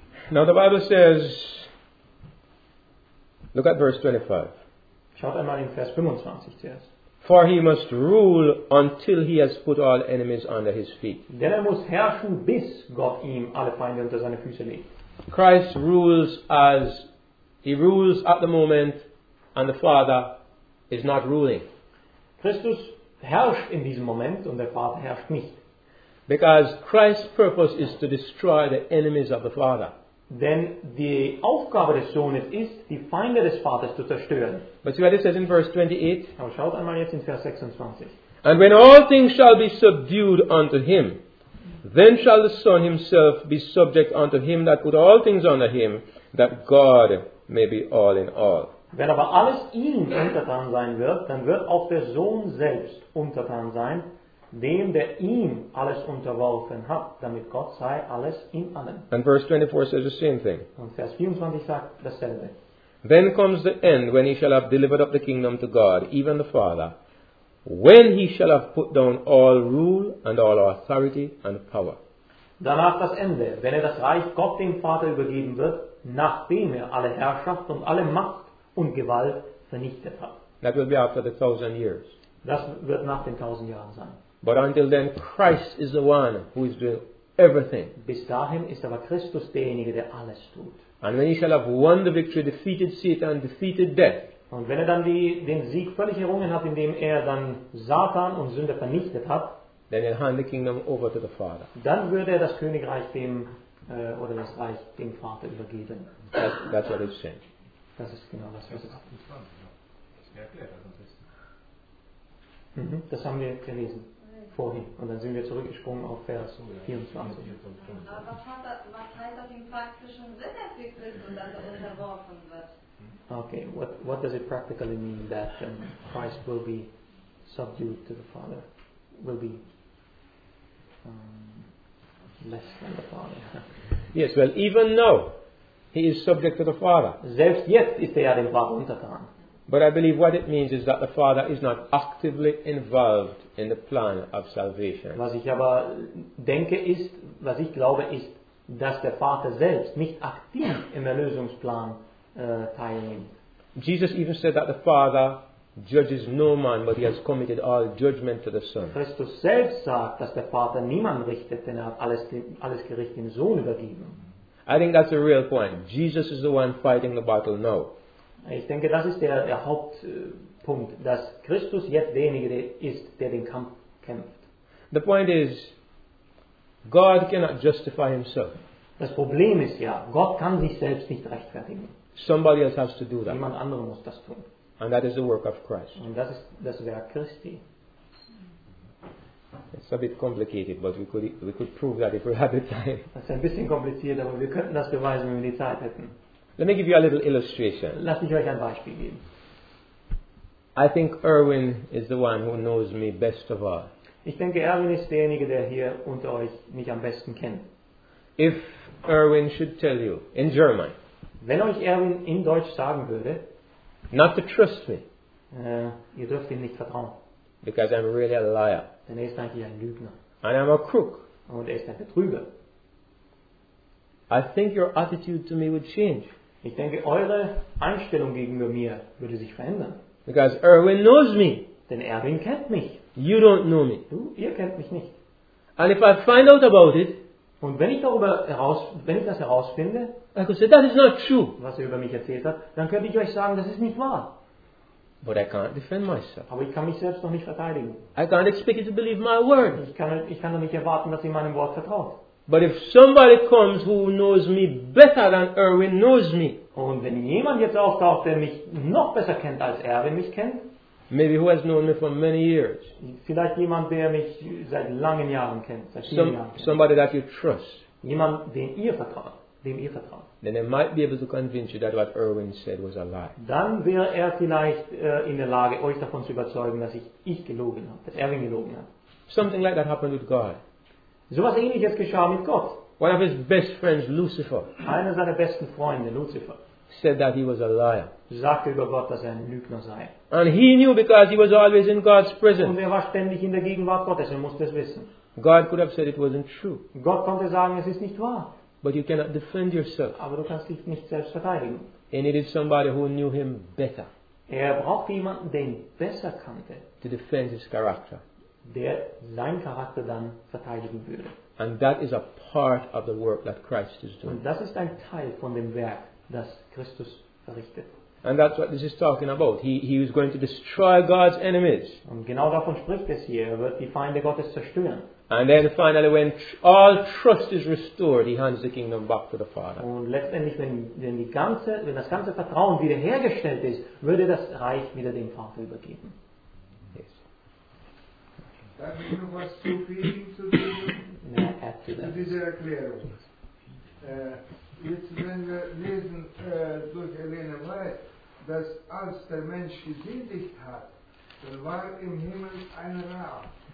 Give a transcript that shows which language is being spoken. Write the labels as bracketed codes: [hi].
[en] Now the Bible says, look at verse 25. [de] Schaut einmal in Vers 25 zuerst. [en] For he must rule until he has put all enemies under his feet. [de] Denn er muss herrschen, bis Gott ihm alle Feinde unter seine Füße legt. [en] Christ rules as he rules at the moment, and the Father is not ruling. [de] Christus herrscht in diesem Moment und der Vater herrscht nicht. [en] Because Christ's purpose is to destroy the enemies of the Father. [de] Denn die Aufgabe des Sohnes ist, die Feinde des Vaters zu zerstören. [en] But see what it says in verse 28. [de] Aber schaut einmal jetzt in Vers 26. [en] And when all things shall be subdued unto him, then shall the Son himself be subject unto him that put all things under him, that God may be all in all. [de] Wenn aber alles ihm untertan sein wird, dann wird auch der Sohn selbst untertan sein, dem, der ihm alles unterworfen hat, damit Gott sei alles in allem. [en] And verse 24 says the same thing. [de] Und Vers 24 sagt dasselbe. [en] Then comes the end when he shall have delivered up the kingdom to God, even the Father, when he shall have put down all rule and all authority and power. [de] Danach das Ende, wenn er das Reich Gott dem Vater übergeben wird, nachdem er alle Herrschaft und alle Macht und Gewalt vernichtet hat. [en] That will be after the 1,000 years. [de] Das wird nach den 1,000 Jahren sein. [en] But until then, Christ is the one who is doing everything. [de] Bis dahin ist aber Christus derjenige, der alles tut. [en] And when he shall have won the victory, defeated Satan, defeated death. [de] Und wenn er dann den Sieg völlig errungen hat, indem er dann Satan und Sünde vernichtet hat, [en] then he'll hand the kingdom over to the Father. [de] Dann würde er das Königreich dem oder das Reich dem Vater übergeben. [en] That's what it's saying. [de] Das ist genau das, was es sagt. Das haben wir gelesen. Vorhin. Und dann sind wir zurückgesprungen auf Vers 24. Was heißt das im praktischen Sinn, dass die Christen dann unterworfen wird? [en] Okay, what does it practically mean that Christ will be subdued to the Father? Will be less than the Father? Yes, well, even now he is subject to the Father. [de] Selbst jetzt ist er ja dem Vater untertan. [en] But I believe what it means is that the Father is not actively involved in the plan of salvation. [de] Was ich aber denke ist, was ich glaube ist, dass der Vater selbst nicht aktiv im Erlösungsplan teilnimmt. [en] Jesus even said that the Father judges no man, but he has committed all judgment to the Son. [de] Christus selbst sagt, dass der Vater niemand richtet, denn er hat alles Gericht dem Sohn übergeben. [en] I think that's a real point. Jesus is the one fighting the battle now. [de] Ich denke, das ist der Hauptpunkt, dass Christus jetzt derjenige ist, der den Kampf kämpft. [en] The point is, God cannot justify himself. [de] Das Problem ist ja, Gott kann sich selbst nicht rechtfertigen. [en] Somebody else has to do that. [de] Jemand anderer muss das tun. [en] And that is the work of Christ. [de] Und das ist das Werk Christi. [en] It's a bit complicated, but we could prove that if we had the time. [de] Das ist ein bisschen kompliziert, aber wir könnten das beweisen, wenn wir die Zeit hätten. [en] Let me give you a little illustration. [de] Lass mich euch ein Beispiel geben. [en] I think Erwin is the one who knows me best of all. [de] Ich denke, Erwin ist derjenige, der hier unter euch mich am besten kennt. [en] If Erwin should tell you in German, [de] wenn euch Erwin in Deutsch sagen würde, [en] not to trust me, [de] ihr dürft ihm nicht vertrauen, [en] because I'm really a liar, [de] denn er ist eigentlich ein Lügner, [en] and I'm a crook, [de] und er ist ein Betrüger. [en] I think your attitude to me would change. [de] Ich denke, eure Einstellung gegenüber mir würde sich verändern. [en] Because Erwin knows me. [de] Denn Erwin kennt mich. [en] You don't know me. [de] Ihr kennt mich nicht. [en] And if I find out about it, [de] und wenn ich das herausfinde, [en] I could say, that is not true. [de] Was er über mich erzählt hat, dann könnte ich euch sagen, das ist nicht wahr. [en] But I can't defend myself. [de] Aber ich kann mich selbst noch nicht verteidigen. [en] I can't expect you to believe my word. [de] Ich kann doch nicht erwarten, dass ihr meinem Wort vertraut. [en] But if somebody comes who knows me better than Erwin knows me, [de] und wenn jemand jetzt auftaucht, der mich noch besser kennt als Erwin mich kennt, [en] maybe who has known me for many years, [de] vielleicht jemand, der mich seit langen Jahren kennt, [en] somebody that you trust, [de] jemand, den ihr vertraut, dem ihr vertraut. [en] Then they might be able to convince you that what Erwin said was a lie. [de] Dann wäre er vielleicht in der Lage, euch davon zu überzeugen, dass ich gelogen habe, dass Erwin gelogen hat. [en] Something like that happened with God. [de] So was Ähnliches geschah mit Gott. [en] One of his best friends, Lucifer. [de] Einer seiner besten Freunde, Lucifer. [en] Said that he was a liar. [de] Sagte über Gott, dass er ein Lügner sei. [en] And he knew because he was always in God's presence. [de] Und er war ständig in der Gegenwart Gottes. Er musste es wissen. [en] God could have said it wasn't true. [de] Gott konnte sagen, es ist nicht wahr. [en] But you cannot defend yourself. [de] Aber du kannst dich nicht selbst verteidigen. [en] He needed somebody who knew him better. [de] Er brauchte jemanden, den besser kannte. [en] To defend his character. [de] Der sein Charakter dann verteidigen würde. [en] And that is a part of the work that Christ is doing. [de] Und das ist ein Teil von dem Werk, das Christus verrichtet. [en] And that's what this is talking about. He is going to destroy God's enemies. [de] Und genau davon spricht es hier. Er wird die Feinde Gottes zerstören. [en] And then finally, when all trust is restored, he hands the kingdom back to the Father. [de] Und letztendlich, wenn das ganze Vertrauen wiederhergestellt ist, würde das Reich wieder dem Vater übergeben. [en] Yes. [de] Darf ich noch was zu Frieden zu dieser Erklärung? Jetzt, wenn wir lesen durch Elena White, dass als der Mensch gesündigt hat, dann war im Himmel ein Raum.